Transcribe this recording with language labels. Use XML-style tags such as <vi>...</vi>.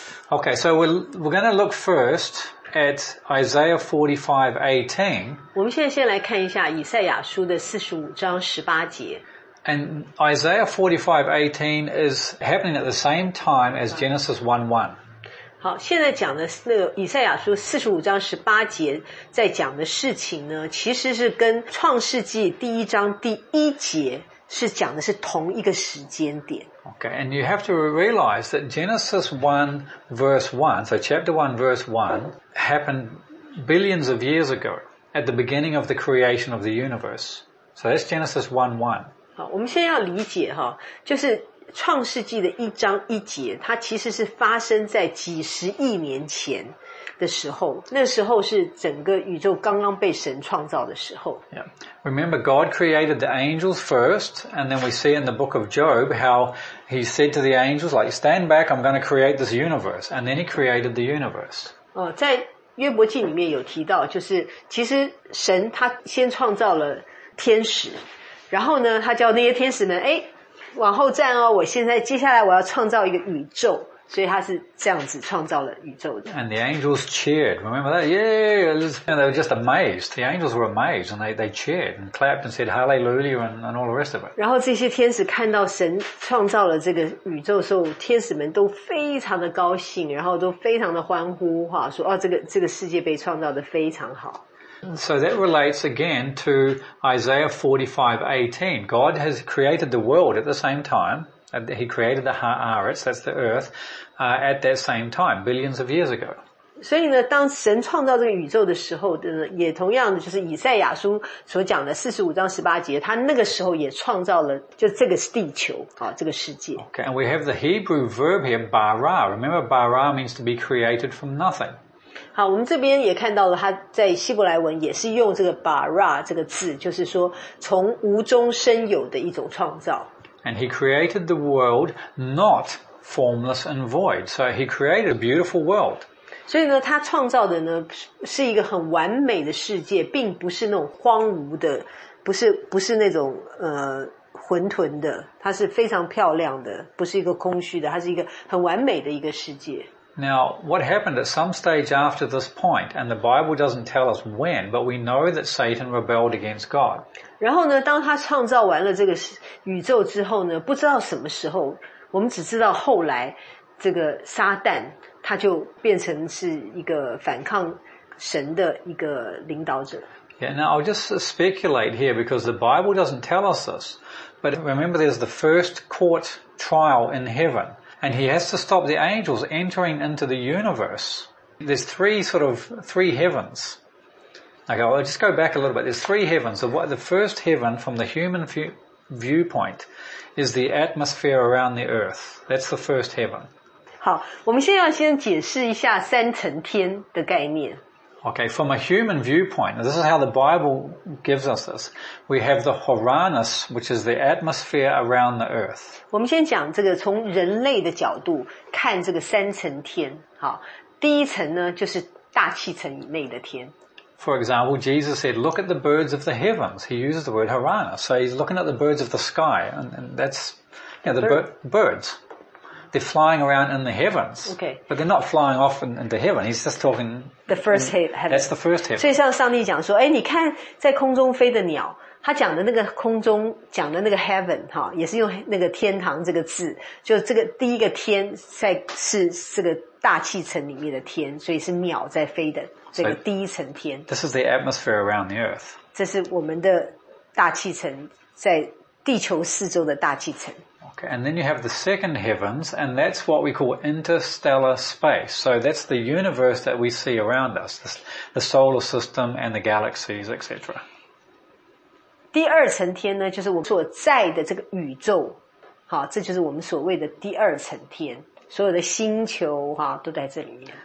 <en>Okay, so we're going to look first at Isaiah 45:18.</en> <zh>我们现在先来看一下以赛亚书的45:18。</zh> <en>And Isaiah 45:18 is happening at the same time as Genesis 1:1.</en> <zh>好，现在讲的那个以赛亚书45:18在讲的事情呢，其实是跟创世纪第一章第一节是讲的是同一个时间点。</zh> <en>Okay, and you have to realize that Genesis 1:1, so chapter 1:1, happened billions of years ago at the beginning of the creation of the universe. So that's Genesis 1:1.</en> <zh>好，我们先要理解哈，就是创世纪的一章一节，它其实是发生在几十亿年前的时候，那时候是整个宇宙刚刚被神创造的时候。</zh> <en>Yeah. Remember, God created the angels first, and then we see in the book of Job how he said to the angels, like, stand back, I'm going to create this universe, and then he created the universe.</en> <zh>在约伯记里面有提到，就是其实神他先创造了天使。然后呢，他叫那些天使们，哎，往后站哦！我现在接下来我要创造一个宇宙，所以他是这样子创造了宇宙的。</zh> <en>And the angels cheered. Remember that? Yeah, they were just amazed. The angels were amazed, and they cheered and clapped and said hallelujah and all the rest of it.</en> <zh>然后这些天使看到神创造了这个宇宙的时候，天使们都非常的高兴，然后都非常的欢呼，哈，说哦，这个世界被创造的非常好。</zh> <en>So that relates again to Isaiah 45:18. God has created the world at the same time. He created the Haaretz, that's the earth, at that same time, billions of years ago.</en> <zh>所以呢，当神创造这个宇宙的时候，也同样的就是以赛亚书所讲的45:18，他那个时候也创造了就这个地球啊，这个世界。</zh> <en>Okay, and we have the Hebrew verb here, bara. Remember, bara means to be created from nothing.</en> <zh>好，我们这边也看到了，他在希伯来文也是用这个 bara 这个字，就是说从无中生有的一种创造。</zh> <en>And he created the world not formless and void, so he created a beautiful world.</en> <zh>所以呢，他创造的呢是一个很完美的世界，并不是那种荒芜的，不是那种混沌的，它是非常漂亮的，不是一个空虚的，它是一个很完美的一个世界。</zh> <en>Now, what happened at some stage after this point, and the Bible doesn't tell us when, but we know that Satan rebelled against God.</en> <zh>然后呢，当他创造完了这个宇宙之后呢，不知道什么时候，我们只知道后来这个撒旦他就变成是一个反抗神的一个领导者。</zh> <en>Yeah, now I'll just speculate here because the Bible doesn't tell us this, but remember there's the first court trial in heaven. And he has to stop the angels entering into the universe. There's three heavens. Okay, I'll just go back a little bit. There's three heavens. The first heaven from the human viewpoint is the atmosphere around the earth. That's the first heaven.</en> <zh>好，我们先解释一下三层天的概念。</zh> <en>Okay, from a human viewpoint, this is how the Bible gives us this. We have the Horanus, which is the atmosphere around the earth.</en> <zh>我们先讲这个从人类的角度看这个三层天。好，第一层呢就是大气层以内的天。</zh> <en>For example, Jesus said, look at the birds of the heavens. He uses the word Horanus. So he's looking at the birds of the sky, and that's, you know, the birds. They're flying around in the heavens. Okay. But they're not flying off into heaven. He's just talking... The first heaven. That's the first heaven.</en> <zh>所以像上帝讲说，哎，你看在空中飞的鸟，他讲的那个空中，讲的那个 heaven, 也是用那个天堂这个字，就这个第一个天在是这个大气层里面的天，所以是鸟在飞的这个第一层天。</zh> <en>So, this is the atmosphere around the earth.</en> <zh>这是我们的大气层，在地球四周的大气层。</zh> <en>Okay, and then you have the second heavens, and that's what we call interstellar space. So that's the universe that we see around us, the solar system and the galaxies, etc.</en> <zh>第二层天呢，就是我们所在的这个宇宙，好，这就是我们所谓的第二层天，所有的星球哈都在这里面。</zh>